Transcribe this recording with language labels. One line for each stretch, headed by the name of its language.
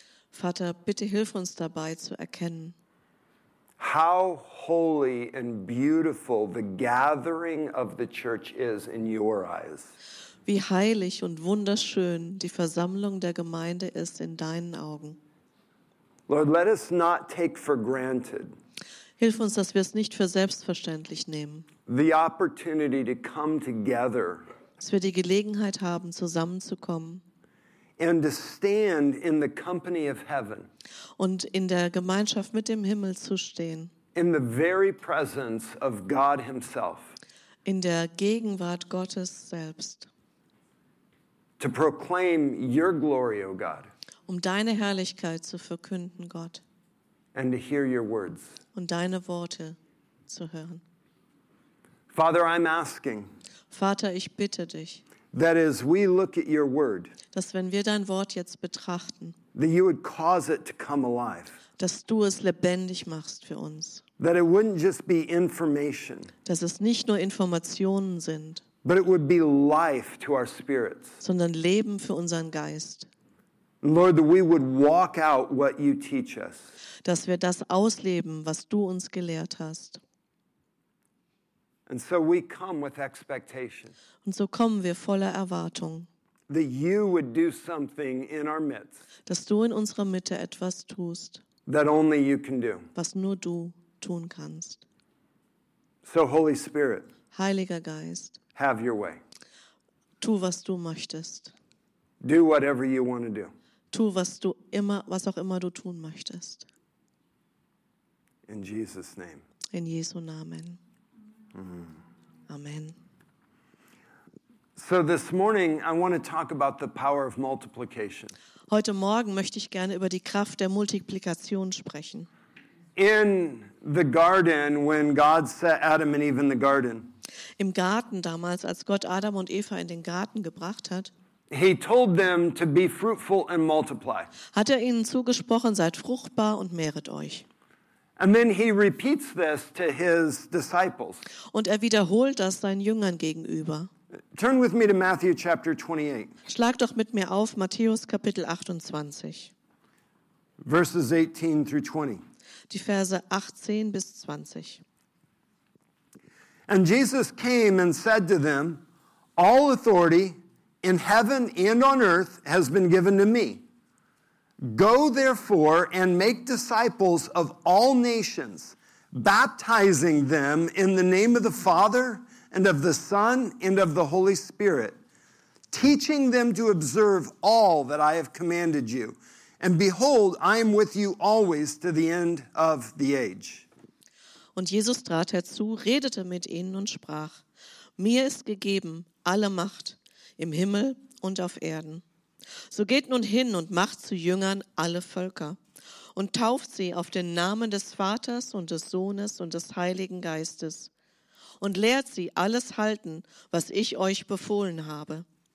German: Vater, bitte hilf uns dabei zu erkennen.
English: How holy and beautiful the gathering of the church is in your eyes.
German: Wie heilig und wunderschön die Versammlung der Gemeinde ist in deinen Augen.
English: Lord, let us not take for granted.
German: Hilf uns, dass wir es nicht für selbstverständlich nehmen.
English: The opportunity to come together.
German: Dass wir die Gelegenheit haben, zusammenzukommen.
English: And to stand in the company of heaven.
German: Und in der Gemeinschaft mit dem Himmel zu stehen.
English: In the very presence of God himself.
German: In der Gegenwart Gottes selbst.
English: To proclaim your glory, O God.
German: Um deine Herrlichkeit zu verkünden, Gott.
English: And to hear your words.
German: Und deine Worte zu hören.
English: Father, I'm asking.
German: Vater, ich bitte dich.
English: That is, we look at your word.
German: Dass wenn wir dein Wort jetzt betrachten.
English: That you would cause it to come alive.
German: Dass du es lebendig machst für uns.
English: That it wouldn't just be information.
German: Dass es nicht nur Informationen sind.
English: But it would be life to our spirits.
German: Sondern Leben für unseren Geist.
English: Lord, that we would walk out what you teach us.
German: Dass wir das ausleben, was du uns gelehrt hast.
English: And so we come with expectation.
German: Und so kommen wir voller Erwartung.
English: That you would do something in our midst.
German: Dass du in unserer Mitte etwas tust.
English: That only you can do.
German: Was nur du tun kannst.
English: So Holy Spirit.
German: Heiliger Geist.
English: Have your way.
German: Tu, was du möchtest.
English: Do whatever you want to do.
German: Tu, was du immer, was auch immer du tun möchtest.
English: In Jesus' name.
German: In Jesu Namen. Amen.
English: So this morning I want to talk about the power of multiplication.
German: Heute Morgen möchte ich gerne über die Kraft der Multiplikation sprechen.
English: In the garden when God set Adam and Eve in the garden.
German: Im Garten damals, als Gott Adam und Eva in den Garten gebracht hat.
English: He told them to be fruitful and multiply.
German: Hat er ihnen zugesprochen, seid fruchtbar und mehret euch.
English: And then he repeats this to his disciples.
German: Und er wiederholt das seinen Jüngern gegenüber.
English: Turn with me to Matthew chapter 28.
German: Schlag doch mit mir auf Matthäus Kapitel 28.
English: Verses 18 through 20.
German: Die Verse 18 bis 20.
English: And Jesus came and said to them, "All authority in heaven and on earth has been given to me. Go, therefore, and make disciples of all nations, baptizing them in the name of the Father and of the Son and of the Holy Spirit, teaching them to observe all that I have commanded you. And behold, I am with you always to the end of the age.
German: Und Jesus trat herzu, redete mit ihnen und sprach: Mir ist gegeben alle Macht im Himmel und auf Erden. So geht nun hin und macht zu Jüngern alle Völker und tauft sie auf den Namen des Vaters und des Sohnes und des Heiligen Geistes und lehrt sie alles halten, was ich euch befohlen habe.